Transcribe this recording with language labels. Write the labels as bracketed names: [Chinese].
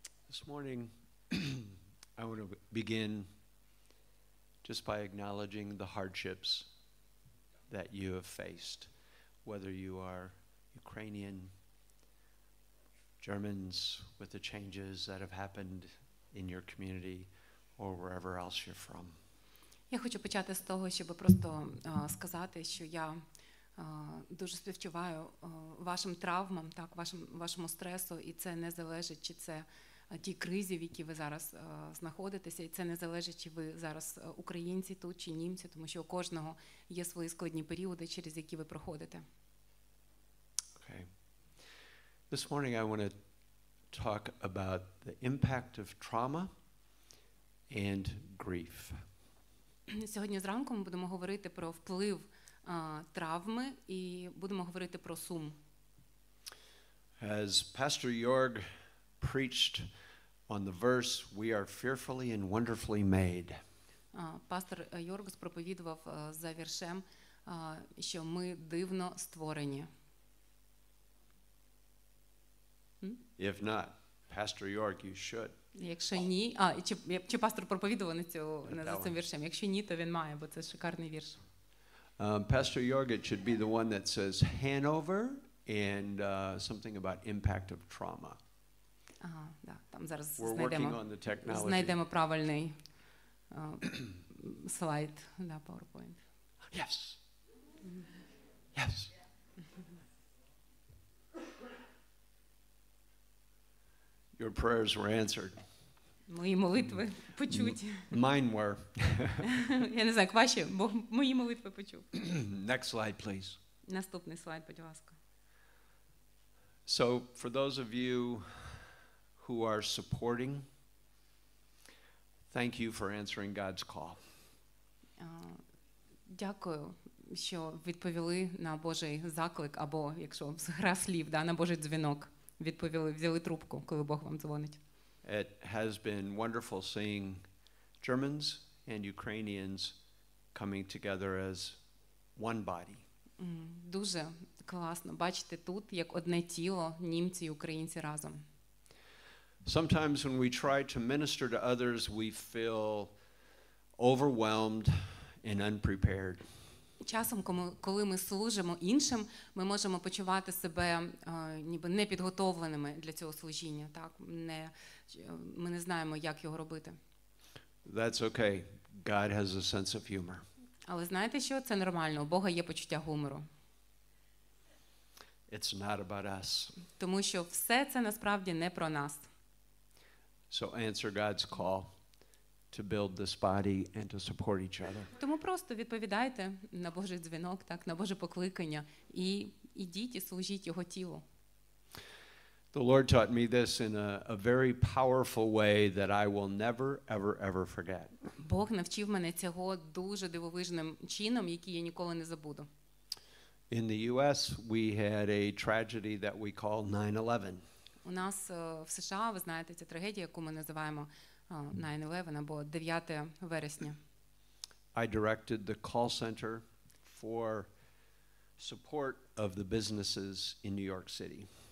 [English] This morning, I want to begin just by acknowledging the hardships that you have faced, whether you are Ukrainian, Germans, with the changes that have happened in your community or wherever else you're from. [Ukrainian] Я хочу почати з того, щоб просто сказати, що я дуже співчуваю вашим травмам, так, вашому стресу, і це не залежить, чи це ті кризи, в які ви зараз знаходитеся, і це не залежить, чи ви зараз українці тут, чи німці, тому що у кожного є свої складні періоди, через які ви проходите. [English] Okay. This morning I want to talk about the impact of trauma and grief. [Ukrainian] Сьогодні зранку ми будемо говорити про вплив травми і будемо говорити про сум. [English] As Pastor Jörg preached on the verse, we are fearfully and wonderfully made. [Ukrainian] Пастор Йорг проповідував за віршем, що ми дивно створені. [English] If not, Pastor Jörg, you should. [Ukrainian] Якщо ні, чи пастор проповідував на цю, за цим віршем? Якщо ні, то він має, бо це шикарний вірш. [English] Pastor Jörg, it should be the one that says Hanover and something about impact of trauma. [Ukrainian] Ага, да, там зараз знайдемо правильний слайд, да, PowerPoint. [English] Yes. Yes. Your prayers were answered. [Ukrainian] Мої молитви почуті. [English] Mine were. [Ukrainian] Я не знаю, ваші, бо мої молитви почув. [English] Next slide, please. [Ukrainian] Наступний слайд, будь ласка. [English] So, for those of you who are supporting, thank you for answering God's call. [Ukrainian] Дякую, що відповіли на Божий заклик, або, якщо гра слів, да, на Божий дзвінок. Відповіли, взяли трубку, коли Бог вам дзвонить. [English] It has been wonderful seeing Germans and Ukrainians coming together as one body. [Ukrainian] Дуже класно бачити тут як одне тіло німці і українці разом. [English] Sometimes when we try to minister to others, we feel overwhelmed and unprepared. [Ukrainian] Часом, коли ми служимо іншим, ми можемо почувати себе ніби непідготовленими для цього служіння, так? Ми не знаємо, як його робити. [English] That's okay. God has a sense of humor. [Ukrainian] Але знаєте що? Це нормально. У Бога є почуття гумору. [English] It's not about us. [Ukrainian] Тому що все це насправді не про нас. [English] So answer God's call to build this body and to support each other. [Ukrainian] Тому просто відповідайте на Божий дзвінок, так, на Боже покликання і ідіть і служіть його тілу. [English] The Lord taught me this in a very powerful way that I will never ever ever forget. [Ukrainian] Бог навчив мене цього дуже дивовижним чином, який я ніколи не забуду. [English] In the US we had a tragedy that we call 9/11. [Ukrainian] У нас в США, ви знаєте, ця трагедія, яку ми називаємо 9/11 або 9 вересня. [English] I directed the call center for support of the businesses in New York City.